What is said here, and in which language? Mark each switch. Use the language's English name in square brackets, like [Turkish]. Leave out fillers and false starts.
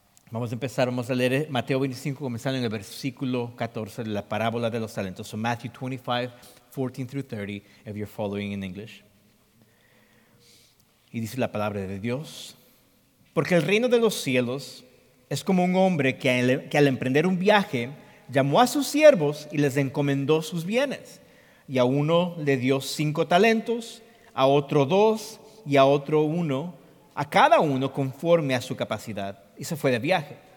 [Spanish] Vamos a empezar, vamos a leer Mateo 25, comenzando en el versículo 14 de la parábola de los talentos. [English] So Matthew 25:14-30, if you're following in English. [Spanish] Y dice la palabra de Dios. Porque el reino de los cielos es como un hombre que al emprender un viaje, llamó a sus siervos y les encomendó sus bienes. Y a uno le dio 5 talentos, a otro 2 y a otro 1, a cada uno conforme a su capacidad. Y se fue de viaje.